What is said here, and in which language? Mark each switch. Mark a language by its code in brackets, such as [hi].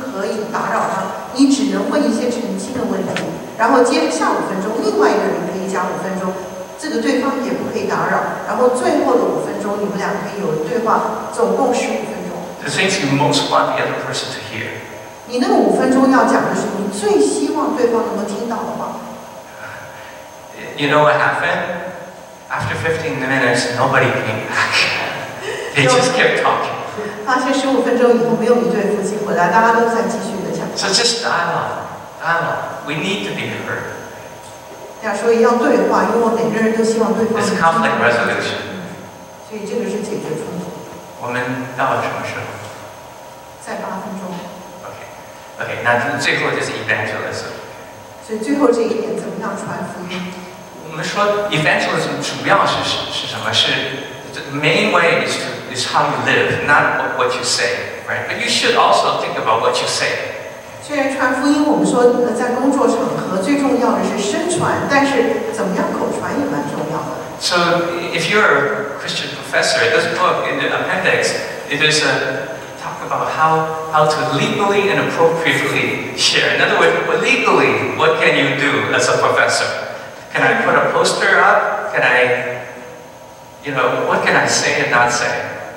[zh] 我们给大家一个功课，就是每个人拿一个蜡烛，一对夫妻啊，拿一个蜡烛，就是说先在第5分钟让其中一个人先说，这个说话的时候，对方你是不可以打扰他，你只能问一些澄清的问题。然后接下5分钟，另外一个人可以加5分钟，这个对方也不可以打扰。然后最后的5分钟，你们俩可以有对话，总共15分钟。 [en] The things you most want the other person to hear. [zh] 你那个5分钟要讲的是你最希望对方能够听到的话。 [en] You know what happened? After 15 minutes, nobody came back. They just kept talking. [zh] 发现15分钟以后没有一对夫妻回来，大家都在继续的讲。 [en] So just dialogue. We need to be heard. [zh] 要说要对话，因为每个人都希望对方。 [en] It's conflict resolution. [zh] 所以这个是解决冲突。我们到什么时候？在8分。 OK， 那最后就是 evangelism。所以最后这一点怎么样传福音？我们说 [en] evangelism [zh] 主要是什么？是 [en] the main way is to is how you live, not what you say, right? But you should also think about what you say. [zh] 虽然传福音，我们说在工作场合最重要的是身传，但是怎么样口传也蛮重要的。 [en] So if you're a Christian professor, this book in the appendix, it is a talk about how to legally and appropriately share. In other words, legally, what can you do as a professor? Can I put a poster up? Can I, you know, what can I say and not say?